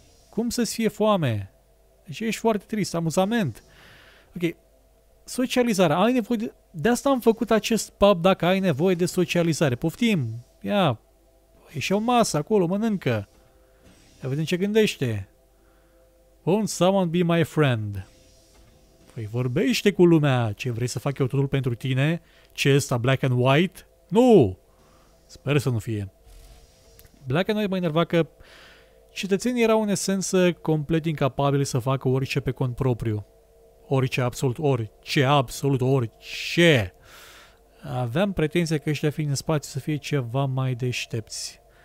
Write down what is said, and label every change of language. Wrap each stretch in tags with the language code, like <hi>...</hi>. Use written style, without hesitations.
<ro>Cum să-ți fie foame? Deci ești foarte trist, amuzament. Ok. Socializarea. Ai nevoie de asta am făcut acest pub, dacă ai nevoie de socializare. Poftim. Ia. Ieși o masă acolo, mănâncă. Ia vedem ce gândește.</ro> <en>Won't someone be my friend?</en> <ro>Păi vorbește cu lumea. Ce vrei să fac eu totul pentru tine? Ce ăsta, black and white? Nu. Sper să nu fie. Black and white mă enerva că cetățenii erau în esență complet incapabili să facă orice pe cont propriu. Orice, absolut orice. Aveam pretenția că ăștia fiind în spațiu să fie ceva mai deștepți.</ro>